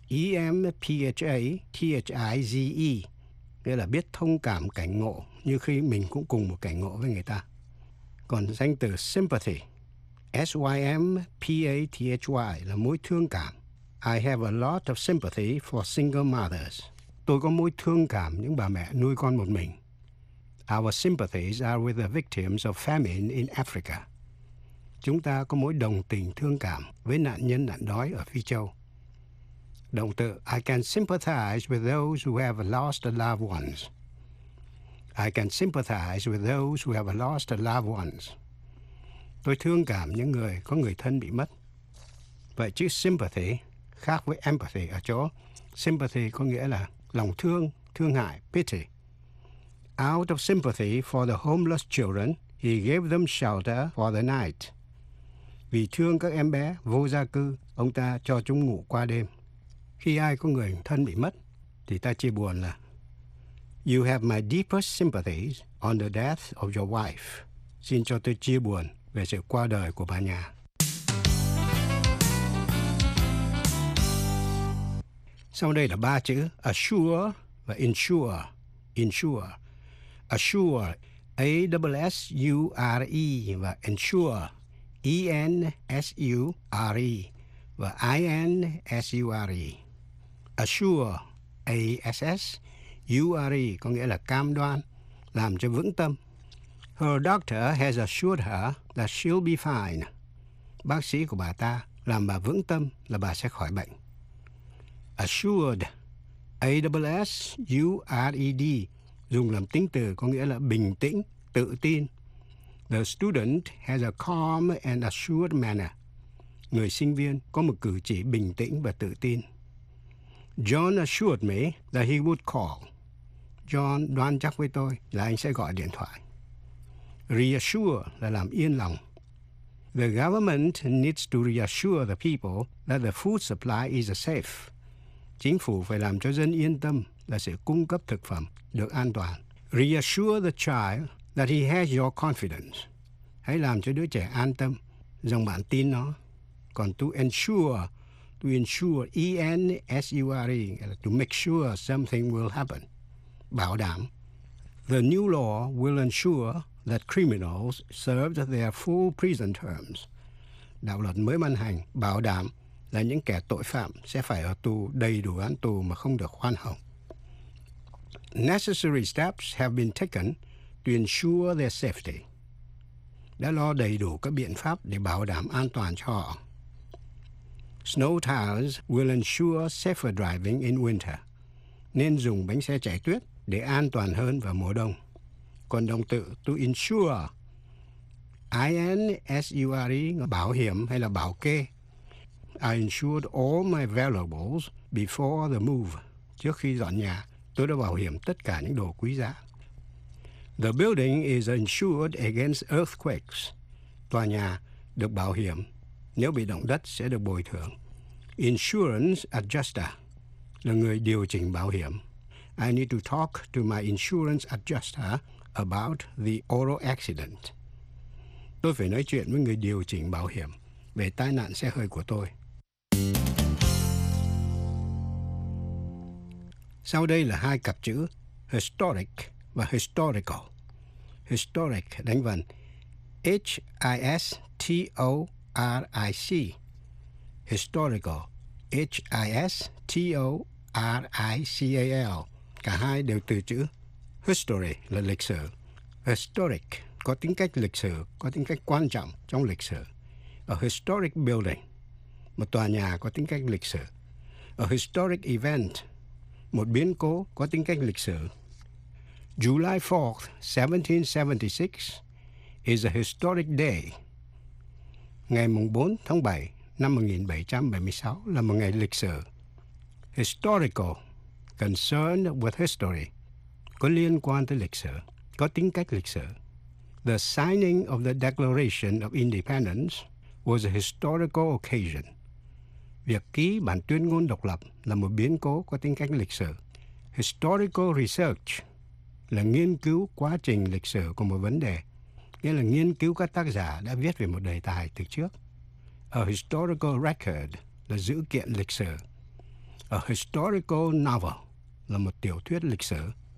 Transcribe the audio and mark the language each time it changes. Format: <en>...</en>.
<vi>E-M-P-H-A-T-H-I-Z-E, nghĩa là biết thông cảm cảnh ngộ như khi mình cũng cùng một cảnh ngộ với người ta. Còn danh từ sympathy, S-Y-M-P-A-T-H-Y, là mối thương cảm.</vi> <en>I have a lot of sympathy for single mothers.</en> <vi>Tôi có mối thương cảm những bà mẹ nuôi con một mình.</vi> <en>Our sympathies are with the victims of famine in Africa.</en> <vi>Chúng ta có mối đồng tình thương cảm với nạn nhân nạn đói ở Phi Châu. Động từ</vi> <en>I can sympathize with those who have lost loved ones. I can sympathize with those who have lost loved ones.</en> <vi>Tôi thương cảm những người có người thân bị mất. Vậy chữ sympathy khác với empathy ở chỗ sympathy có nghĩa là lòng thương, thương hại, pity.</vi> <en>Out of sympathy for the homeless children, he gave them shelter for the night.</en> <vi>Vì thương các em bé vô gia cư, ông ta cho chúng ngủ qua đêm. Khi ai có người thân bị mất, thì ta chia buồn là</vi> <en>You have my deepest sympathies on the death of your wife.</en> <vi>Xin cho tôi chia buồn về sự qua đời của bà nhà. Sau đây là ba chữ assure và insure. Insure.</vi> <en>Assure, A-S-S-U-R-E và insure, E-N-S-U-R-E và I-N-S-U-R-E.</en> <vi>Assure, A-S-S-U-R-E, có nghĩa là cam đoan, làm cho vững tâm.</vi> <en>Her doctor has assured her that she'll be fine.</en> <vi>Bác sĩ của bà ta làm bà vững tâm là bà sẽ khỏi bệnh. Assured, A-S-S-U-R-E-D, dùng làm tính từ có nghĩa là bình tĩnh, tự tin.</vi> <en>The student has a calm and assured manner.</en> <vi>Người sinh viên có một cử chỉ bình tĩnh và tự tin.</vi> <en>John assured me that he would call.</en> <vi>John đoán chắc với tôi là anh sẽ gọi điện thoại. Reassure là làm yên lòng.</vi> <en>The government needs to reassure the people that the food supply is safe.</en> <vi>Chính phủ phải làm cho dân yên tâm là sự cung cấp thực phẩm được an toàn.</vi> <en>Reassure the child that he has your confidence.</en> <vi>Hãy làm cho đứa trẻ an tâm rằng bạn tin nó.</vi> <en>Còn to ensure, E-N-S-U-R-E, to make sure something will happen.</en> <vi>Bảo đảm.</vi> <en>The new law will ensure that criminals served their full prison terms.</en> <vi>Đạo luật mới ban hành bảo đảm là những kẻ tội phạm sẽ phải ở tù đầy đủ án tù mà không được khoan hồng.</vi> <en>Necessary steps have been taken to ensure their safety.</en> <vi>Đã lo đầy đủ các biện pháp để bảo đảm an toàn cho họ.</vi> <en>Snow tires will ensure safer driving in winter.</en> <vi>Nên dùng bánh xe chạy tuyết để an toàn hơn vào mùa đông. Còn động từ to insure, I-N-S-U-R-E, bảo hiểm hay là bảo kê.</vi> <en>I insured all my valuables before the move.</en> <vi>Trước khi dọn nhà, tôi đã bảo hiểm tất cả những đồ quý giá.</vi> <en>The building is insured against earthquakes.</en> <vi>Tòa nhà được bảo hiểm. Nếu bị động đất sẽ được bồi thường. Insurance adjuster là người điều chỉnh bảo hiểm.</vi> <en>I need to talk to my insurance adjuster about the auto accident.</en> <vi>Tôi phải nói chuyện với người điều chỉnh bảo hiểm về tai nạn xe hơi của tôi. Sau đây là hai cặp chữ historic và historical. Historic đánh vần H-I-S-T-O-R-I-C.</vi> <en>Historical, H-I-S-T-O-R-I-C-A-L.</en> <vi>Cả hai đều từ chữ history là lịch sử. Historic có tính cách lịch sử, có tính cách quan trọng trong lịch sử.</vi> <en>A historic building,</en> <vi>một tòa nhà có tính cách lịch sử.</vi> <en>A historic event,</en> <vi>một biến cố có tính cách lịch sử.</vi> <en>July 4th, 1776 is a historic day.</en> <vi>Ngày 4 tháng 7 năm 1776 là một ngày lịch sử. Historical,</vi> <en>concerned with history,</en> <vi>có liên quan tới lịch sử, có tính cách lịch sử.</vi> <en>The signing of the Declaration of Independence was a historical occasion.</en> <vi>Việc ký bản tuyên ngôn độc lập là một biến cố có tính cách lịch sử.</vi> <en>Historical research</en> <vi>là nghiên cứu quá trình lịch sử của một vấn đề, nghĩa là nghiên cứu các tác giả đã viết về một đề tài từ trước.</vi> <en>A historical record</en> <vi>là dữ kiện lịch sử.</vi> <en>A historical novel</en> <vi>là một tiểu thuyết lịch sử.</vi>